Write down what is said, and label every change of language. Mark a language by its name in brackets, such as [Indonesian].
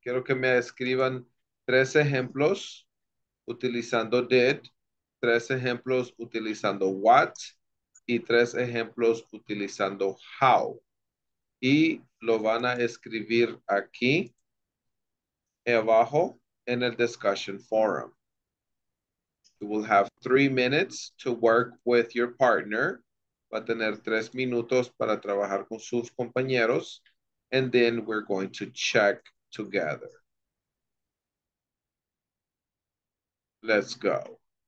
[Spanish] Quiero que me escriban 3 ejemplos utilizando did, 3 ejemplos utilizando what, y 3 ejemplos utilizando how. Y lo van a escribir aquí abajo en el discussion forum. [English] You will have 3 minutes to work with your partner. [Spanish] Va a tener 3 minutos para trabajar con sus compañeros. [English] And then we're going to check together. Let's go.